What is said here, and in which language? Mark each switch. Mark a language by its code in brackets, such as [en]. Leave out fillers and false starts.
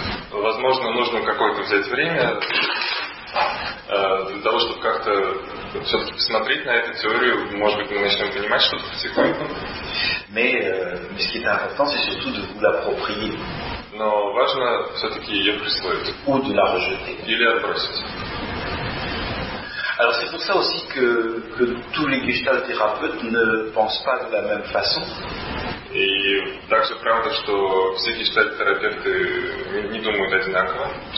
[ru] Возможно, нужно какое-то взять время для того, чтобы как-то все-таки посмотреть на эту теорию, может быть, мы начнем понимать что-то потихоньку. [fr] Mais ce qui est important, c'est surtout de vous l'approprier. [ru] Но важно все-таки ее присвоить. [fr] Ou de la rejeter. [ru] Или отбросить. [fr] Alors c'est pour ça aussi que tous les gestalt-thérapeutes ne pensent pas de la même façon. [ru] И также правда, что все гештальт-терапевты не думают одинаково.